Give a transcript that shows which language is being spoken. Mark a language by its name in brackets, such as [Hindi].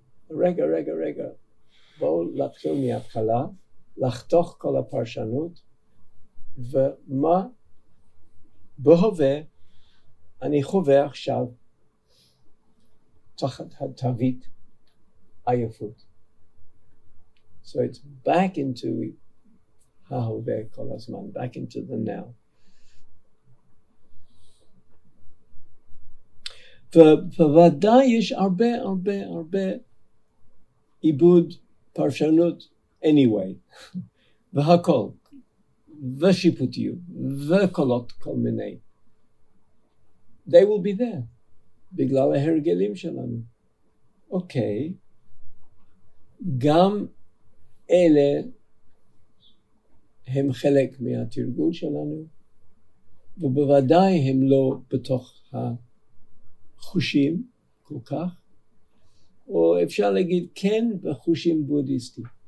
[Hebrew] רגע, רגע, רגע, בואו נתחיל מההתחלה, לחתוך כל הפרשנות, ומה? בהווה, אני חווה עכשיו תחת התווית עייפות. [English] So it's back into [Hebrew] ההווה כל הזמן, [English] back into the now. [Hebrew] ובוודאי יש הרבה הרבה הרבה עיבוד פרשנות anyway, והכל, ושיפוטיות, וקולות כל מיני. [English] They will be there, [Hebrew] בגלל ההרגלים שלנו. אוקיי, גם אלה הם חלק מהתרגול שלנו, ובוודאי הם לא בתוך החושים כל כך, או אפשר להגיד כן בחושים בודיסטי.